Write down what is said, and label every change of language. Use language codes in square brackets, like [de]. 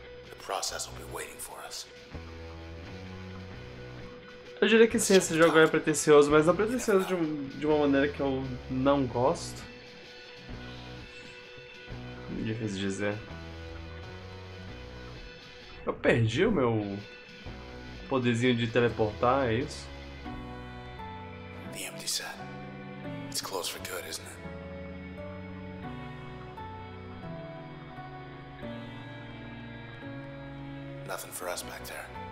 [en] The process will be waiting for us. [pt] Eu diria que sim, esse jogo é pretencioso, mas é pretencioso de uma maneira que eu não gosto. Difícil dizer. Eu perdi o meu poderzinho de teleportar, é isso? [en] The empty set. It's closed for good, isn't it? Nothing for us back there.